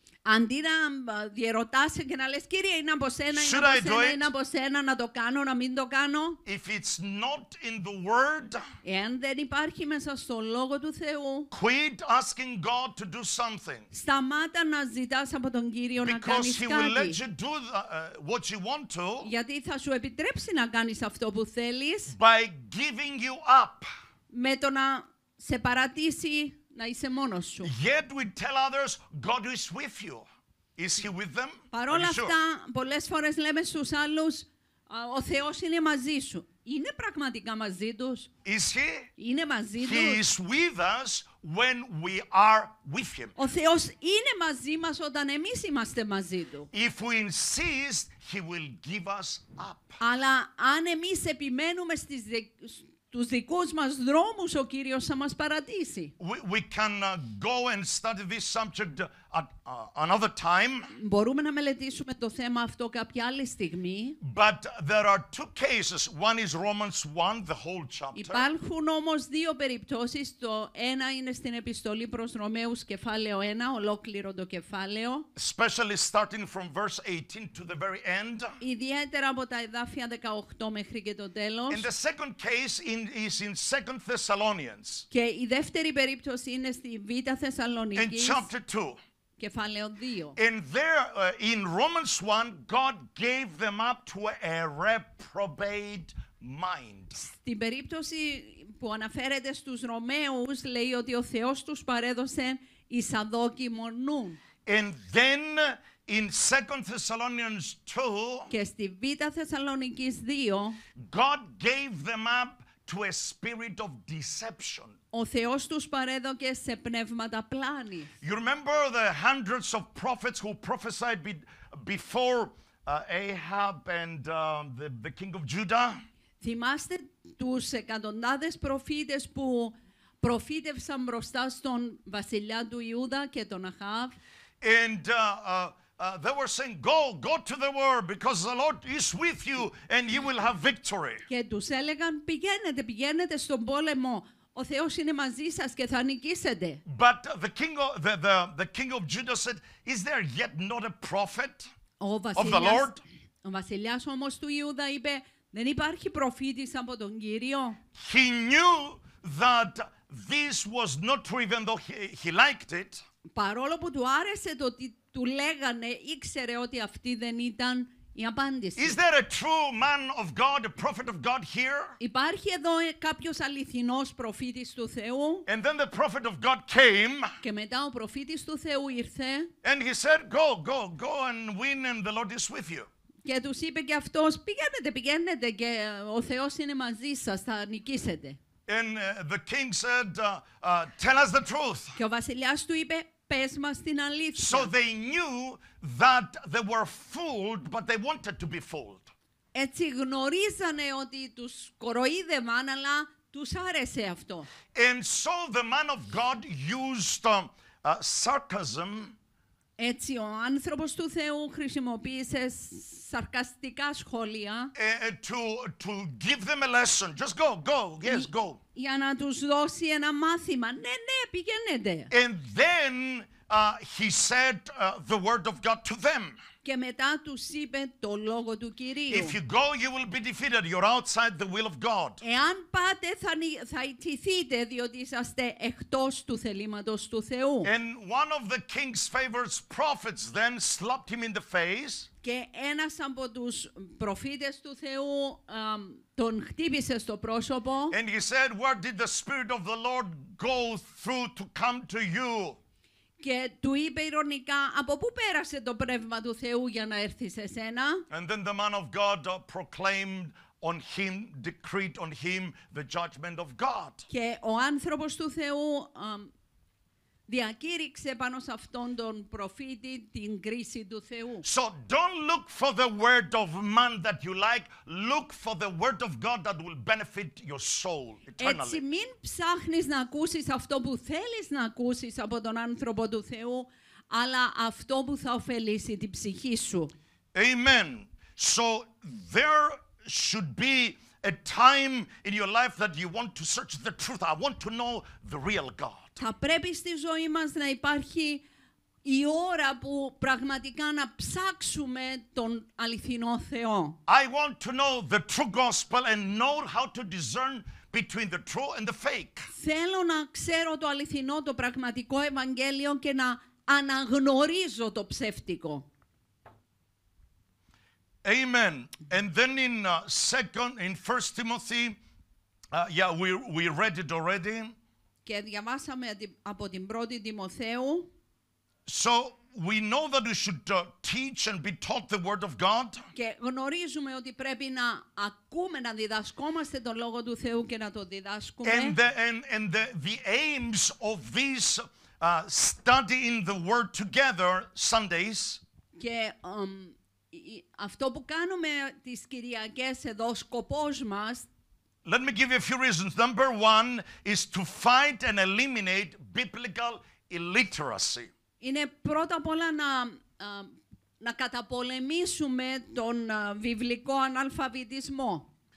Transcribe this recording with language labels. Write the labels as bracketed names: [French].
[Greek] Αντί να διερωτάσαι και να λες, Κύριε, είναι από σένα, να το κάνω, να μην το κάνω. [English] If it's not in the word, [Greek] εάν δεν υπάρχει μέσα στο Λόγο του Θεού, [English] quit asking God to do something. [Greek] Σταμάτα να ζητάς από τον Κύριο να κάνεις κάτι. [English] Because he will let you do what you want to. [Greek] Γιατί θα σου επιτρέψει να κάνεις αυτό που θέλεις. [English] By giving you up. [Greek] Με το να σε παρατήσει. Να είσαι μόνος σου. [English] Yet we tell others, God is with you. Is he with them? [Greek] Παρόλα αυτά, πολλές φορές λέμε στους άλλους, ο Θεός είναι μαζί σου. Είναι πραγματικά μαζί τους? [English] Is he? [Greek] Είναι μαζί τους? [English] He is with us when we are with him. [Greek] Ο Θεός είναι μαζί μας όταν εμείς είμαστε μαζί του. [English] If we insist, he will give us up. [Greek] Αλλά αν εμείς επιμένουμε στις τους δικούς μας δρόμους, ο Κύριος θα μας παρατήσει. [English] We can go and study this subject another time. [Greek] Μπορούμε να μελετήσουμε το θέμα αυτό κάποια άλλη στιγμή. [English] But there are two cases. One is Romans 1, the whole chapter. [Greek] Υπάρχουν όμως δύο περιπτώσεις. Το ένα είναι στην Επιστολή προς Ρωμαίους, κεφάλαιο 1, ολόκληρο το κεφάλαιο. [English] Especially starting from verse 18 to the very end. [Greek] Ιδιαίτερα από τα εδάφια 18 μέχρι και το τέλος. [English] And the second case is in 2 Thessalonians. [Greek] Και η δεύτερη περίπτωση είναι στη Β' Θεσσαλονικής. [English] In chapter 2. [Greek] Κεφάλαιο 2. [English] And there, in Romans 1, God gave them up to a reprobate mind. [Greek] Στην περίπτωση που αναφέρεται στους Ρωμαίους, λέει ότι ο Θεός τους παρέδωσε εις αδόκιμο νου. [English] And then, in 2 Thessalonians 2, [Greek] και στη Β' Θεσσαλονικής 2, [English] God gave them up to a spirit of deception. [Greek] Ο Θεός τους παρέδωκε σε πνεύματα πλάνη. [English] You remember the hundreds of prophets who prophesied before Ahab and the king of Judah? [Greek] Θυμάστε τους εκατοντάδες προφήτες που προφήτευσαν μπροστά στον βασιλιά του Ιούδα και τον Αχάβ? [English] And they were saying, go to the war because the Lord is with you and you will have victory. [Greek] Και τους έλεγαν, πηγαίνετε στον πόλεμο. Ο Θεός είναι μαζί σας και θα νικήσετε. [English] But the king of Judah said, is there yet not a prophet of the Lord? [Greek] Ο βασιλιάς όμως του Ιούδα είπε, δεν υπάρχει προφήτης από τον Κύριο. [English] He knew that this was not true even though he liked it. [Greek] Παρόλο που του άρεσε το ότι του λέγανε, ήξερε ότι αυτή δεν ήταν. [English] Is there a true man of God, a prophet of God here? [Greek] Υπάρχει εδώ κάποιος αληθινός προφήτης του Θεού? [English] And then the prophet of God came. [Greek] Και μετά ο προφήτης του Θεού ήρθε. [English] And he said, go and win and the Lord is with you. [Greek] Και τους είπε και αυτός, πηγαίνετε και ο Θεός είναι μαζί σας, θα νικήσετε. [English] And the king said, tell us the truth. [Greek] Και ο βασιλιάς του είπε, Πες μας την αλήθεια. [English] So they knew that they were fooled, but they wanted to be fooled. [Greek] Έτσι γνωρίζανε ότι τους κοροϊδεύαν, αλλά τους άρεσε αυτό. [English] And so the man of God used sarcasm. [Greek] Έτσι ο άνθρωπος του Θεού χρησιμοποίησε σαρκαστικά σχόλια [English] to give them a lesson. Just go, yes, go. [Greek] Για να τους δώσει ένα μάθημα. Ναι, πηγαίνετε. [English] And then he said the word of God to them. [Greek] Και μετά τους είπε το λόγο του Κυρίου. [English] If you go, you will be defeated. You're outside the will of God. [Greek] Εάν πάτε, θα ιτηθείτε, διότι είσαστε εκτός του θελήματος του Θεού. [English] And one of the king's favorite prophets then slapped him in the face. [Greek] Και ένας από τους προφήτες του Θεού τον χτύπησε στο πρόσωπο. [English] And he said, where did the Spirit of the Lord go through to come to you? [Greek] Και του είπε ειρωνικά, από πού πέρασε το Πνεύμα του Θεού για να έρθει σε σένα. [English] And then the man of God proclaimed on him, decreed on him the judgment of God. [Greek] Και ο άνθρωπος του Θεού διακήρυξε πάνω σε αυτόν τον προφήτη την κρίση του Θεού. [English] So don't look for the word of man that you like. Look for the word of God that will benefit your soul eternally. [Greek] Έτσι μην ψάχνεις να ακούσεις αυτό που θέλεις να ακούσεις από τον άνθρωπο του Θεού, αλλά αυτό που θα ωφελήσει την ψυχή σου. [English] Amen. So there should be a time in your life that you want to search the truth. I want to know the real God. [Greek] Θα πρέπει στη ζωή μας να υπάρχει η ώρα που πραγματικά να ψάξουμε τον αληθινό Θεό. [English] I want to know the true gospel and know how to discern between the true and the fake. [Greek] Θέλω να ξέρω το αληθινό, το πραγματικό Ευαγγέλιο και να αναγνωρίζω το ψεύτικο. [English] Amen. And then in 1 Timothy, we read it already. [Greek] Και διαβάσαμε από την πρώτη Τιμοθέου. [English] So we know that we should teach and be taught the word of God. [Greek] Και γνωρίζουμε ότι πρέπει να ακούμε, να διδασκόμαστε το λόγο του Θεού και να το διδάσκουμε. [English] And the aims of this studying the word together Sundays. [Greek] Και αυτό που κάνουμε τις Κυριακές εδώ, σκοπός μας. [English] Let me give you a few reasons. Number one is to fight and eliminate biblical illiteracy. [Greek] Είναι πρώτα απ' όλα να καταπολεμήσουμε τον βιβλικό αναλφαβητισμό.